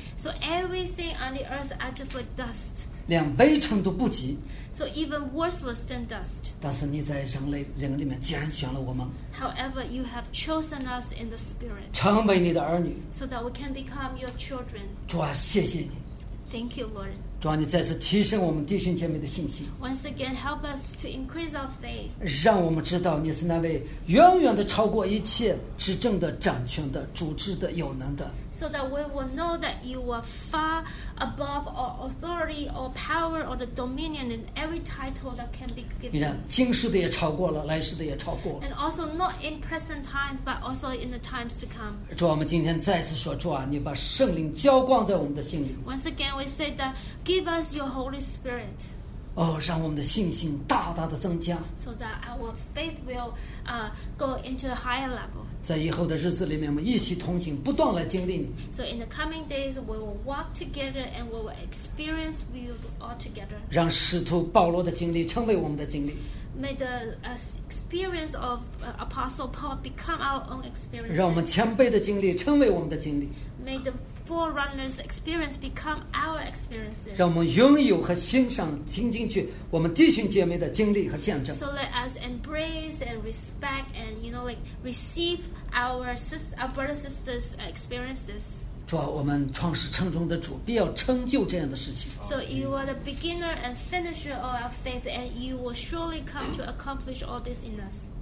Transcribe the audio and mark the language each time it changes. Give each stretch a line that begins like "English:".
English: So everything on the earth are just like dust.
Chinese: 连微尘都不及。
English: So even worthless than dust.
Chinese: 但是你在人里面拣选了我们。
English: However, you have chosen us in the spirit.
Chinese: 成为你的儿女。
English: So that we can become your children.
Chinese: 主啊，谢谢你。
English: Thank you, Lord.
Chinese: 主啊，你再次提升我们弟兄姐妹的信心。
English: Once again, help us to increase our faith.
Chinese: 让我们知道你是那位远远的超过一切执政的、掌权的、主治的、有能的。
English: So that we will know that you are far above all authority or power or the dominion and every title that can be given.
Chinese: 你看，今世的也超过了，来世的也超过了。
English: And also not in present times, but also in the times to come.
Chinese: 主啊，我们今天再次说，主啊，你把圣灵浇灌在我们的心里。
English: Once again, we say that give us your Holy Spirit.
Chinese: 哦，让我们的信心大大的增加。
English: So that our faith will go into a higher level.
Chinese: 在以后的日子里面，我们一起同行，不断来经历你。
English: So in the coming days, we will walk together and we will experience you all together.
Chinese: 让使徒保罗的经历成为我们的经历。
English: May the experience of Apostle Paul become our own experience.
Chinese: 让我们前辈的经历成为我们的经历。
English: May the forerunners' experience become our experiences.
Chinese: 让我们拥有和欣赏、听进去我们弟兄姐妹的经历和见证。
English: So let us embrace and respect and you know like receive our brothers and sisters' experiences.
Chinese: 主啊，我们创始成终的主，必要成就这样的事情。
English: So you are the beginner and finisher of our faith, and you will surely come to accomplish all this in us.